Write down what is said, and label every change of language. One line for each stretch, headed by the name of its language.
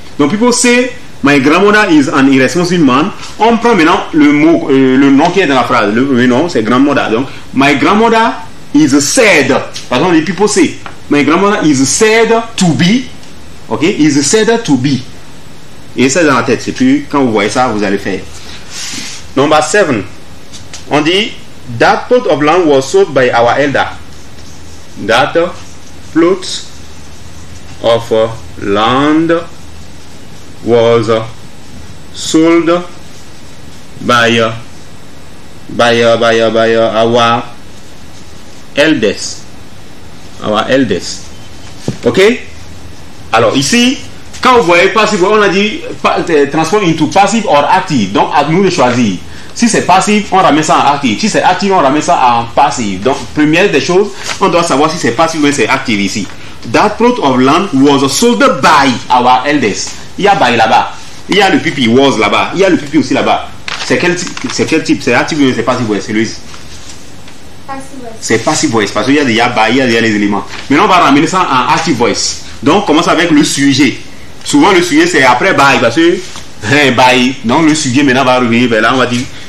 English: Donc, people say, my grandmother is an irresponsible man.
French: On prend maintenant le mot, le nom qui est dans la phrase. Le nom, c'est grandmother. Donc,
English: my grandmother is said.
French: Par exemple,
English: people say, my grandmother is said to be.
French: Ok,
English: is said to be.
French: Et ça, dans la tête. C'est plus, quand vous voyez ça, vous allez faire.
English: Number 7.
French: On dit,
English: that plot of land was sold by our elder. That plot of land was sold by our elders. Our elders.
French: Ok? Alors ici, quand vous voyez passif, on a dit
English: transform into passive or active.
French: Donc à nous de choisir. Si c'est passif, on ramène ça en actif. Si c'est actif, on ramène ça en passif. Donc première des choses, on doit savoir si c'est passif ou c'est actif ici.
English: That plot of land was sold by our elders.
French: Il y a by là-bas. Il y a le pipi was là-bas. Il y a le pipi aussi là-bas. C'est quel type? C'est active ou c'est passive voice? C'est Louise. C'est passive voice. Parce qu'il y a déjà by, il y a déjà les éléments. Maintenant, on va ramener ça en active voice. Donc, on commence avec le sujet. Souvent, le sujet, c'est après by. Parce que, by. Donc, le sujet, maintenant, va revenir vers là. On va dire,